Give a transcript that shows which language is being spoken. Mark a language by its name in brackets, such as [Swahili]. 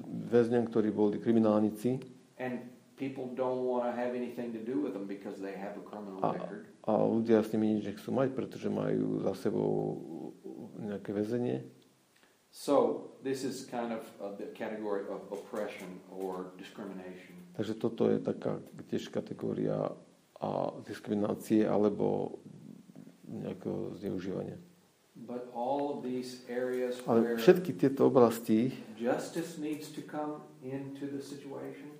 [Slovak] väzňom, ktorí boli kriminálnici. [English] And people don't want to have anything to do with them because they have a criminal record. [Slovak] A ľudia s nimi nič nechcú mať, pretože majú za sebou nejaké väzenie. [English] So, this is kind of the category of oppression or discrimination. [Slovak] Takže toto je taká tiež kategória a diskriminácie alebo nejakého zneužívania. [English] But all of these areas [Slovak] ale všetky tieto oblasti [English] justice needs to come into the situation.